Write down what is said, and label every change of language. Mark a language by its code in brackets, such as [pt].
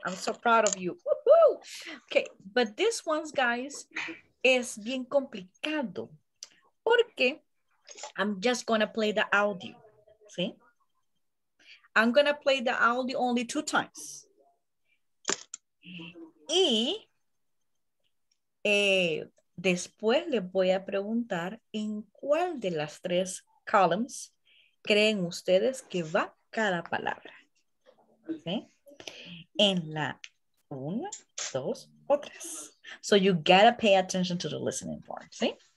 [en] I'm so proud of you. Woo-hoo. Okay, but this one's, guys, [es] es bien complicado porque [en] I'm just gonna play the audio, see? I'm gonna play the audio only two times. [es] Y después les voy a preguntar en cuál de las tres columns creen ustedes que va cada palabra, ¿sí? En la una, dos o tres. [en] So you gotta pay attention to the listening part, see?